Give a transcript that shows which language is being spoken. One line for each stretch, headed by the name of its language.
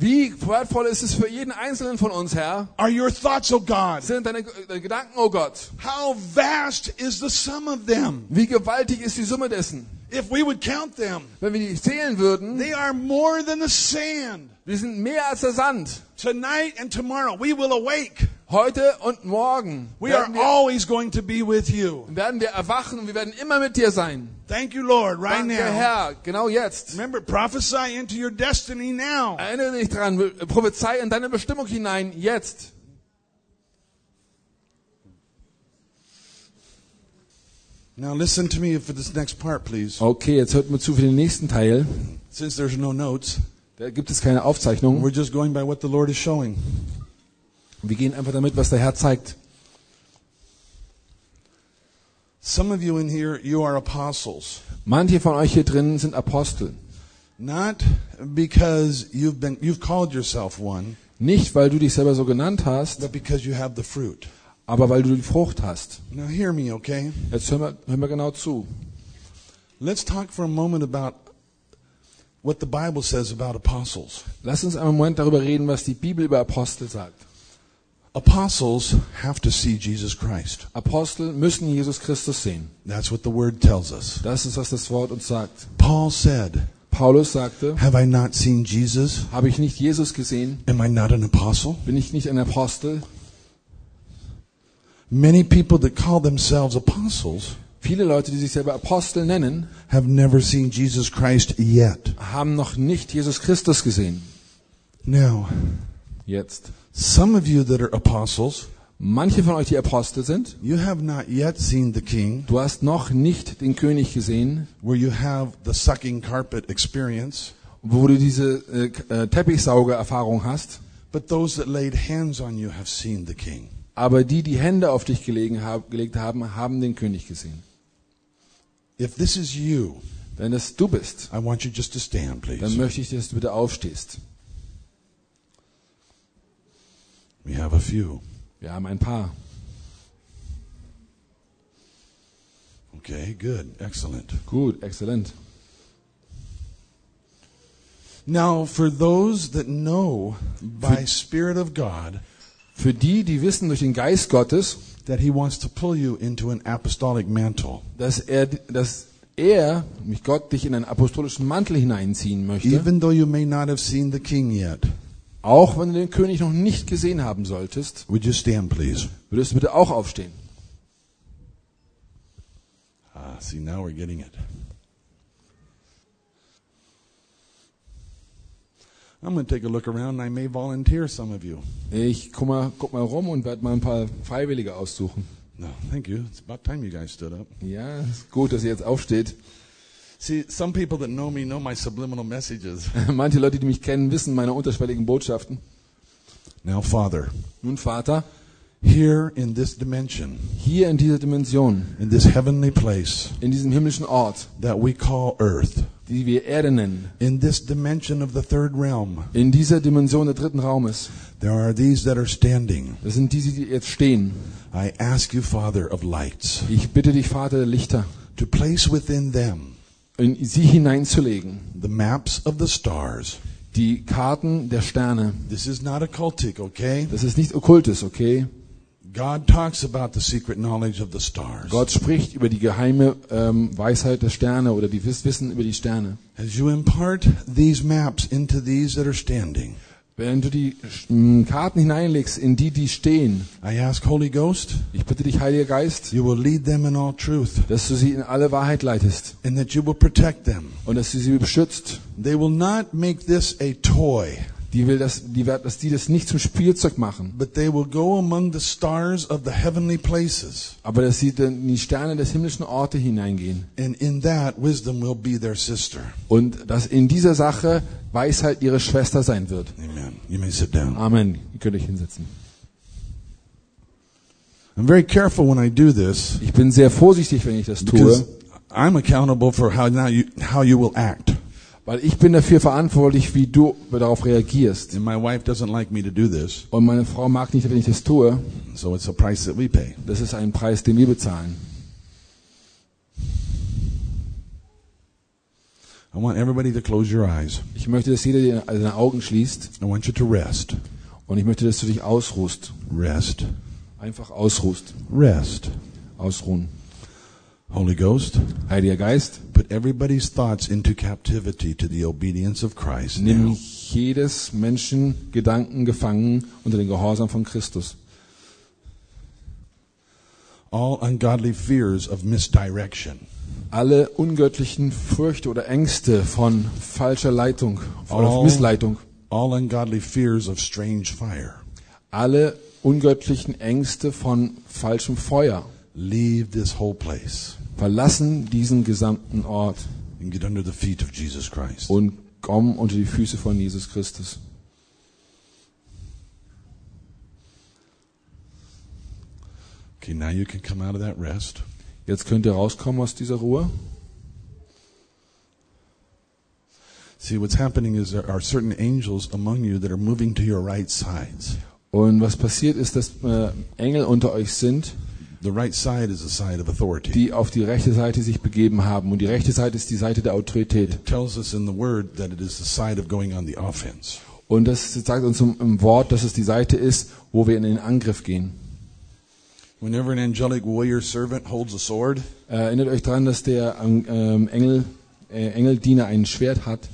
German: Wie wertvoll ist es für jeden einzelnen von uns, Herr?
English: Are your thoughts, O God?
German: Sind deine Gedanken, O Gott?
English: How vast is the sum of them?
German: Wie gewaltig ist die Summe dessen?
English: If we would count them,
German: wenn wir die zählen würden,
English: they are more than the sand.
German: Wir sind mehr als der Sand.
English: Tonight and tomorrow, we will awake.
German: Heute und morgen werden wir erwachen und wir werden immer mit dir sein.
English: Thank you, Lord, right
German: danke,
English: now.
German: Herr, genau jetzt.
English: Remember, prophesy into your destiny now.
German: Erinnere dich daran, prophezei in deine Bestimmung hinein, jetzt.
English: Now listen to me for this next part, please.
German: Okay, jetzt hört mir zu für den nächsten Teil.
English: Since there's no notes,
German: da gibt es keine Aufzeichnung.
English: We're just going by what the Lord is showing.
German: Wir gehen einfach damit, was der Herr zeigt.
English: Some of you in here, you are apostles.
German: Manche von euch hier drin sind Apostel.
English: Not because you've called yourself one.
German: Nicht weil du dich selber so genannt hast.
English: But because you have the fruit.
German: Aber weil du die Frucht hast.
English: Now hear me, okay?
German: Jetzt hör mal genau zu.
English: Let's talk for a moment about what the Bible says about apostles.
German: Lass uns einen Moment darüber reden, was die Bibel über Apostel sagt.
English: Apostles have to see Jesus Christ.
German: Apostel müssen Jesus Christus sehen.
English: That's what the word tells us.
German: Das ist, was das Wort uns sagt.
English: Paul said.
German: Paulus sagte.
English: Have I not seen Jesus?
German: Habe ich nicht Jesus gesehen?
English: Am I not an apostle?
German: Bin ich nicht ein Apostel?
English: Many people that call themselves apostles.
German: Viele Leute, die sich selber Apostel nennen,
English: have never seen Jesus Christ yet.
German: Haben noch nicht Jesus Christus gesehen.
English: Now.
German: Jetzt.
English: Some of you that are apostles,
German: manche von euch, die Apostel sind,
English: you have not yet seen the king,
German: du hast noch nicht den König gesehen,
English: where you have the sucking carpet experience,
German: wo du diese Teppichsaugererfahrung hast,
English: but those that laid hands on you have seen the king.
German: Aber die Hände auf dich gelegt haben, haben den König gesehen.
English: If this is you,
German: wenn es du bist,
English: I want you just to stand, please.
German: Dann möchte ich, dass du bitte aufstehst.
English: We have a few.
German: Wir haben ein paar.
English: Okay, good. Excellent.
German: Gut, excellent.
English: Now, for those that know by Spirit of God,
German: für die wissen durch den Geist Gottes,
English: that he wants to pull you into an apostolic mantle.
German: Dass er, mich Gott, dich in einen apostolischen Mantel hineinziehen möchte.
English: Even though you may not have seen the king yet.
German: Auch wenn du den König noch nicht gesehen haben solltest.
English: Would you stand, please?
German: Würdest du bitte auch aufstehen?
English: Ah, see, now we're getting it. I'm going to take a look around and I may volunteer some of you.
German: Ich guck mal rum und werde mal ein paar Freiwillige aussuchen.
English: No, thank you. It's about time you guys stood up.
German: Ja, ist gut, dass ihr jetzt aufsteht.
English: See, some people that know me know my subliminal messages.
German: Manche Leute, die mich kennen, wissen meine unterschwelligen Botschaften.
English: Now, Father.
German: Nun, Vater.
English: Here in this dimension.
German: Hier in dieser Dimension.
English: In this heavenly place.
German: In diesem himmlischen Ort.
English: That we call Earth.
German: Die wir Erde nennen.
English: In this dimension of the third realm.
German: In dieser Dimension des dritten Raumes.
English: There are these that are standing.
German: Das sind diese, die jetzt stehen.
English: I ask you, Father of lights.
German: Ich bitte dich, Vater der Lichter.
English: To place within them.
German: In sie hineinzulegen.
English: The maps of the stars.
German: Die Karten der Sterne.
English: This is not occultic, okay?
German: Das ist nicht Okkultes, okay?
English: God talks about the secret knowledge of the stars.
German: Gott spricht über die geheime Weisheit der Sterne oder die Wissen über die Sterne.
English: As you impart these maps into these that are standing.
German: Wenn du die Karten hineinlegst in die, die stehen.
English: I ask Holy Ghost.
German: Ich bitte dich, Heiliger Geist.
English: You will lead them in all truth.
German: Dass du sie in alle Wahrheit leitest.
English: And that you will protect them.
German: Und dass du sie beschützt.
English: They will not make this a toy.
German: Die will das, die wird, dass die das nicht zum Spielzeug machen.
English: But they will go among the stars of the heavenly places.
German: Aber dass sie in die Sterne des himmlischen Orte hineingehen.
English: And in that wisdom will be their sister.
German: Und dass in dieser Sache Weisheit ihre Schwester sein wird.
English: Amen. You may sit down.
German: Amen. Ihr könnt euch hinsetzen.
English: I'm very careful when I do this.
German: Ich bin sehr vorsichtig, wenn ich das tue.
English: I'm accountable for how you will act.
German: Weil ich bin dafür verantwortlich, wie du darauf reagierst.
English: And my wife doesn't like me to do this.
German: Und meine Frau mag nicht, wenn ich das tue.
English: So it's a price that we pay.
German: Das ist ein Preis, den wir bezahlen.
English: I want everybody to close your eyes.
German: Ich möchte, dass jeder seine Augen schließt.
English: I want you to rest.
German: Und ich möchte, dass du dich ausruhst.
English: Rest.
German: Einfach ausruhst.
English: Rest.
German: Ausruhen.
English: Holy Ghost,
German: Heiliger Geist,
English: put everybody's thoughts into captivity to the obedience of Christ.
German: Nimm jedes Menschen Gedanken gefangen unter den Gehorsam von Christus.
English: All ungodly fears of misdirection.
German: Alle ungöttlichen Fürchte oder Ängste von falscher Leitung oder Missleitung.
English: All ungodly fears of strange fire.
German: Alle ungöttlichen Ängste von falschem Feuer.
English: Leave this whole place.
German: Verlassen diesen gesamten Ort.
English: And get under the feet of Jesus Christ.
German: Und komm unter die Füße von Jesus Christus.
English: Okay, now you can come out of that rest.
German: Jetzt könnt ihr rauskommen aus dieser Ruhe.
English: See, what's happening is there are certain angels among you that are moving to your right sides.
German: Und was passiert ist, dass Engel unter euch sind.
English: The right side is the side of authority.
German: Die auf die rechte Seite sich begeben haben, und die rechte Seite ist die Seite der Autorität.
English: It tells us in the word that it is the side of going on the offense.
German: Und das sagt uns im Wort, dass es die Seite ist, wo wir in den Angriff gehen.
English: Whenever an angelic warrior servant holds a sword,
German: erinnert euch daran, dass der Engeldiener ein Schwert hat.